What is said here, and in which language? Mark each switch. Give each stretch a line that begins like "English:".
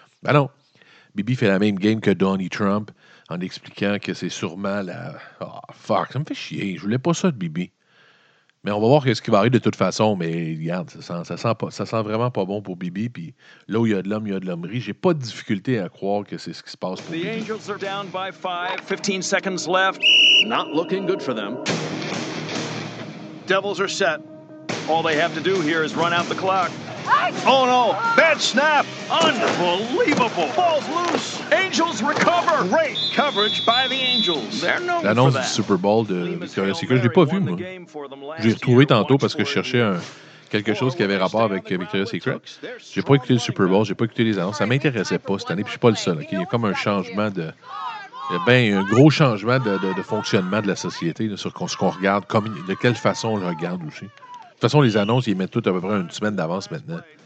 French: Ben non, Bibi fait la même game que Donnie Trump en expliquant que c'est sûrement la... Oh, fuck, ça me fait chier, je voulais pas ça de Bibi. Mais on va voir ce qui va arriver de toute façon, mais regarde, ça sent vraiment pas bon pour Bibi, puis là où il y a de l'homme, il y a de l'hommerie. J'ai pas de difficulté à croire que c'est ce qui se passe pour
English: The
French: Bibi.
English: Angels are down by 5, 15 seconds left. Not looking good for them. Devils are set. All they have to do here is run out the clock. Oh no, bad snap. Unbelievable. Ball's loose. Angels recover. Great coverage by the Angels.
French: L'annonce du Super Bowl de Victoria's Secret, je l'ai pas vu, moi. J'ai retrouvé tantôt parce que je cherchais quelque chose qui avait rapport avec Victoria's Secret. J'ai pas écouté le Super Bowl, j'ai pas écouté les annonces. Ça m'intéressait pas cette année, puis je suis pas le seul. Okay? Il y a comme un changement de... Ben, un gros changement de fonctionnement de la société là, sur ce qu'on regarde, de quelle façon on le regarde aussi. De toute façon, les annonces, ils mettent tout à peu près une semaine d'avance maintenant.